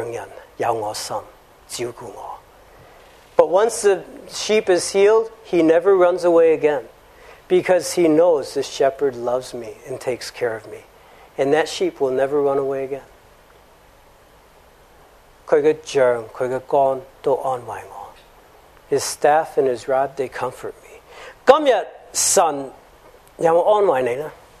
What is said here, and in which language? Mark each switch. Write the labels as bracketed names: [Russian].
[Chinese] 因为他现在知道牧羊人有我心照顾我。 [English] But once the sheep is healed, he never runs away again, because he knows the shepherd loves me and takes care of me, and that sheep will never run away again. [Chinese] 他的杖、他的杆都安慰我。 [English] His staff and his rod, they comfort me. [Chinese] 今日神有没有安慰你呢？